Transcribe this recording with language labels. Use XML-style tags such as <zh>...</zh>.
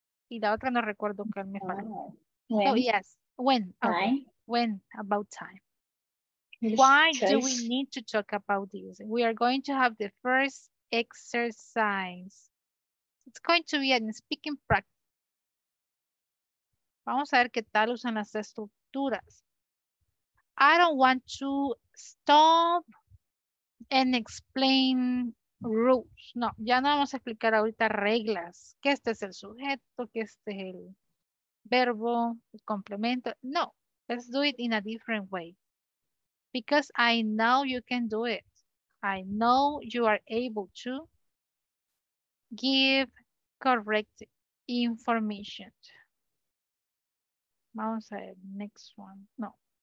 <es>Y la otra no recuerdo que me falta.</es> <en>When. Oh, yes. When. Okay. When. About time. Why do we need to talk about this? We are going to have the first exercise. It's going to be a speaking practice.</en> <es>Vamos a ver qué tal usan las estructuras.</es> <en>I don't want to stop and explain rules.</en> <es>No, ya no vamos a explicar ahorita reglas, que este es el sujeto, que este es el verbo, el complemento. No,</es> <en>Let's do it in a different way. Because I know you can do it. I know you are able to give correct information.</en> <es>Vamos a ver,</es> <en>next one.</en> <es>No.</es>